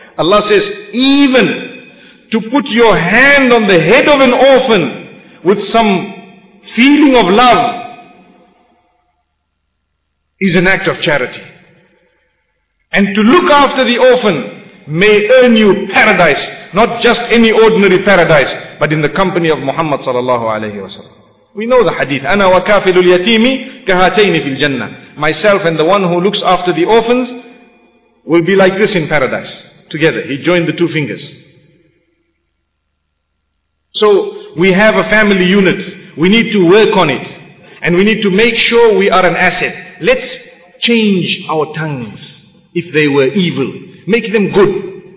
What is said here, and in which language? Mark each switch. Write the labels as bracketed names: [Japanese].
[English] Allah says, even to put your hand on the head of an orphan with some feeling of love is an act of charity. And to look after the orphan may earn you paradise, not just any ordinary paradise, but in the company of Muhammad sallallahu alayhi wa sallam. We know the hadith, [Arabic] أَنَا وَكَافِلُ الْيَتِيمِ كَهَاتَيْنِ فِي الْجَنَّةِ. [English] Myself and the one who looks after the orphans will be like this in paradise. Together, he joined the two fingers. So, we have a family unit. We need to work on it. And we need to make sure we are an asset. Let's change our tongues if they were evil. Make them good.